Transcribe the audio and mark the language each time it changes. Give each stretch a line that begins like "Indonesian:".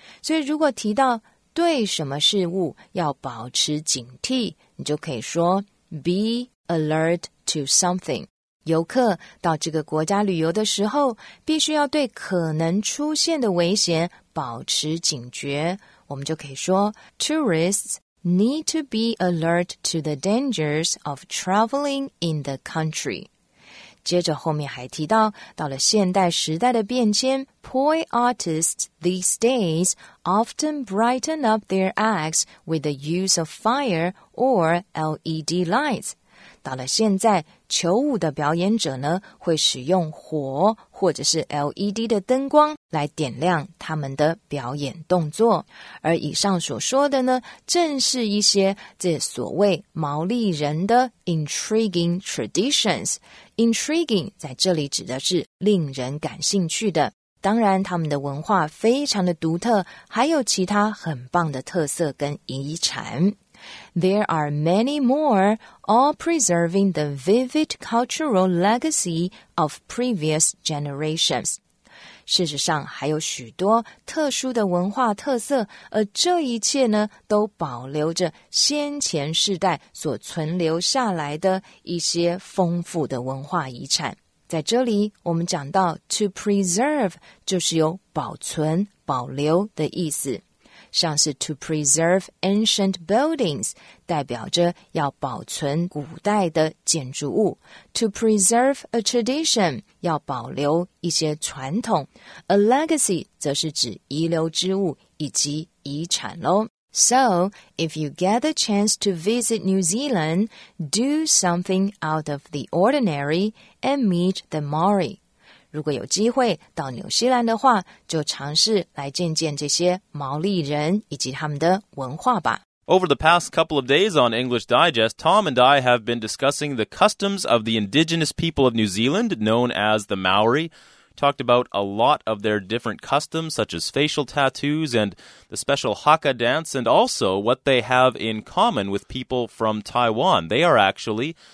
Chinese: 所以如果提到对什么事物要保持警惕，你就可以说
English: be alert to something。
Chinese: 游客到这个国家旅游的时候，必须要对可能出现的危险保持警觉。我们就可以说
English: Tourists need to be alert to the dangers of traveling in the country.
Chinese: 接着后面还提到，到了现代时代的变迁，
English: Poi artists these days often brighten up their acts with the use of fire or LED lights.
Chinese: 到了现在，球舞的表演者呢，会使用火或者是 LED 的灯光来点亮他们的表演动作。而以上所说的呢，正是一些这所谓毛利人的
English: intriguing traditions。
Chinese: intriguing 在这里指的是令人感兴趣的。当然，他们的文化非常的独特，还有其他很棒的特色跟遗产。
English: There are many more, all preserving the vivid cultural legacy of previous generations.
Chinese: 事实上还有许多特殊的文化特色，而这一切呢，都保留着先前世代所存留下来的一些丰富的文化遗产。在这里，我们讲到 to preserve 就是有保存、保留的意思。像是
English: to preserve ancient buildings
Chinese: 代表着要保存古代的建筑物，
English: to preserve a tradition
Chinese: 要保留一些传统， a legacy 则是指遗留之物以及遗产咯。
English: So, if you get the chance to visit New Zealand, do something out of the ordinary and meet the Maori.
Chinese: 如果有机会到纽西兰的话，就尝试来见见这些毛利人以及他们的文化吧。
English: Over the past couple of days on English Digest, Tom and I have been discussing the customs of the indigenous people of New Zealand, known as the Maori, talked about a lot of their different customs, such as facial tattoos and the special Hakka dance, and also what they have in common with people from Taiwan. They are actually...